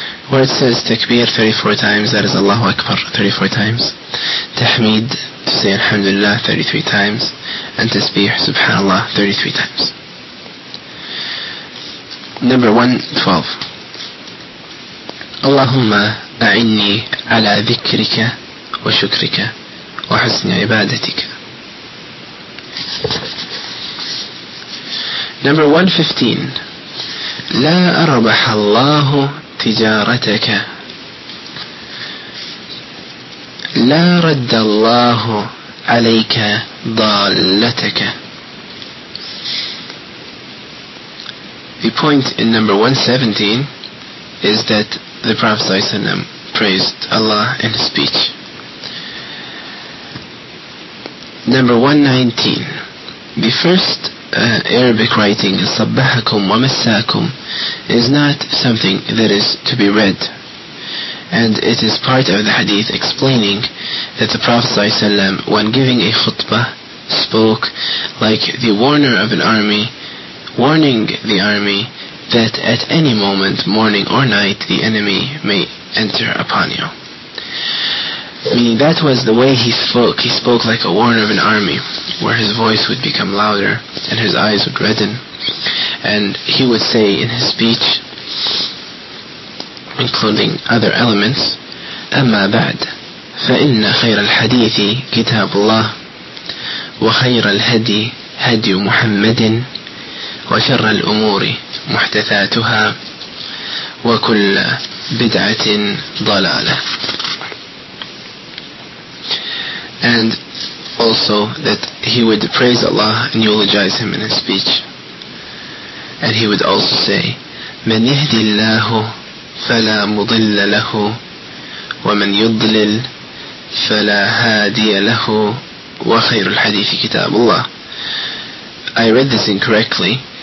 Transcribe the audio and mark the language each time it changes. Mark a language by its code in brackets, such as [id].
[en] Where it says تكبير 34 times, that is [ar] الله أكبر [en] 34 times. تحميد to say الحمد لله 33 times. And تسبيح سبحان الله 33 times. Number 112. [ar] اللهم أعني على ذكرك وشكرك وحسن عبادتك. [en] Number 115. [ar] لا أربح الله تجارتك، لا رد الله عليك ضالتك. [en] The point in number 117 is that the Prophet [ar] صلى الله عليه وسلم [en] praised Allah in his speech. Number 119. The first Arabic writing [ar] صبحكم ومساكم [en] is not something that is to be read, and it is part of the hadith explaining that the Prophet ﷺ, when giving a khutbah spoke like the warner of an army, warning the army that at any moment, morning or night, the enemy may enter upon you. Meaning that was the way he spoke. He spoke like a warner of an army, where his voice would become louder and his eyes would redden. And he would say in his speech, including other elements, [ar] أَمَّا بَعْدْ فَإِنَّ خَيْرَ الْحَدِيثِ كِتَابُ اللَّهِ وَخَيْرَ الْهَدِي هَدْيُ مُحَمَّدٍ وَشَرَّ الْأُمُورِ مُحْدَثَاتُهَا وَكُلَّ بِدْعَةٍ ضَلَالَةٍ. [en] And also that he would praise Allah and eulogize him in his speech. And he would also say, [ar] مَنْ يَهْدِ اللَّهُ فَلَا مُضِلَّ لَهُ وَمَنْ يُضْلِلْ فَلَا هَادِيَ لَهُ وَخَيْرُ الْحَدِيثِ كِتَابُ اللَّهِ. [en] I read this incorrectly.